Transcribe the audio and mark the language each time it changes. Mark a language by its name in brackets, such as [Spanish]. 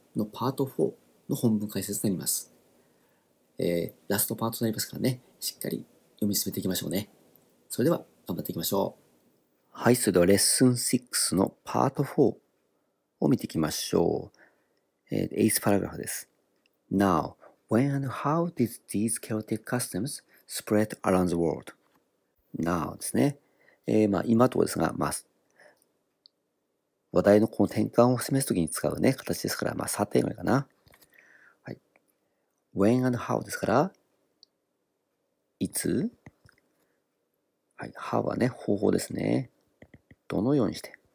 [Japanese] のパート4の本文解説になります。ラストパートになりますからね、しっかり読み進めていきましょうね。それでは頑張っていきましょう。はい、それではレッスン6のパート4を見ていきましょう。 [English] 8th paragraph [Japanese] です。 [English] Now, when and how did these Celtic customs spread around the worldNow [Japanese] ですね。まあ、今とですが、まあ、話題のこの転換を示すときに使うね、形ですから、まあ、さてぐらいかな。はい。When and how ですから、いつ、はい。 How はね、方法ですね。どのようにして。